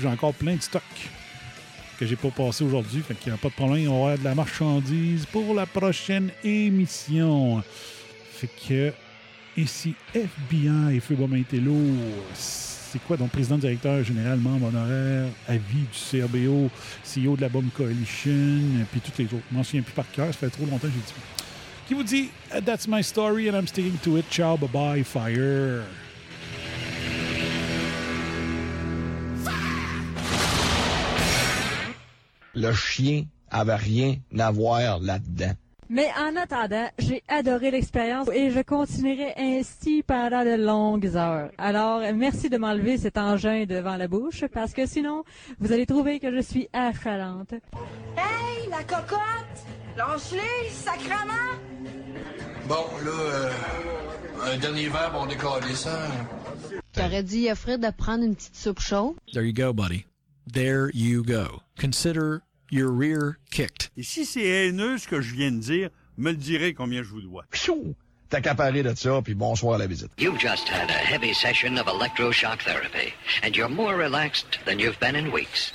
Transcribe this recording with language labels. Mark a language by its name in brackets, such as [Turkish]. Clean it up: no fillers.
[French] J'ai encore plein de stock que j'ai pas passé aujourd'hui, fait qu'il n'y a pas de problème, on va avoir de la marchandise pour la prochaine émission. Fait que, ici FBI et Feubo Mintello, c'est quoi donc président, directeur général, membre honoraire, avis du CRBO, CEO de la Bomb Coalition, puis toutes les autres. Je m'en souviens plus par cœur, ça fait trop longtemps que j'ai dit. Qui vous dit, [English] that's my story and I'm sticking to it. Ciao, bye bye, fire. [French] Le chien avait rien à voir là-dedans. Mais en attendant, j'ai adoré l'expérience et je continuerai ainsi pendant de longues heures. Alors, merci de m'enlever cet engin devant la bouche, parce que sinon, vous allez trouver que je suis affalante. Hey, la cocotte! Lâche-les, sacrement! Bon, là, un dernier verre, bon, on décalait ça. T'aurais dit à Fred de prendre une petite soupe chaude? [English] There you go, buddy. There you go. Consider your rear kicked. [French] Et si c'est haineux ce que je viens de dire, me le direz combien je vous dois. Pshou! T'as qu'à parler de ça, puis bonsoir à la visite. [English] You've just had a heavy session of electroshock therapy, and you're more relaxed than you've been in weeks.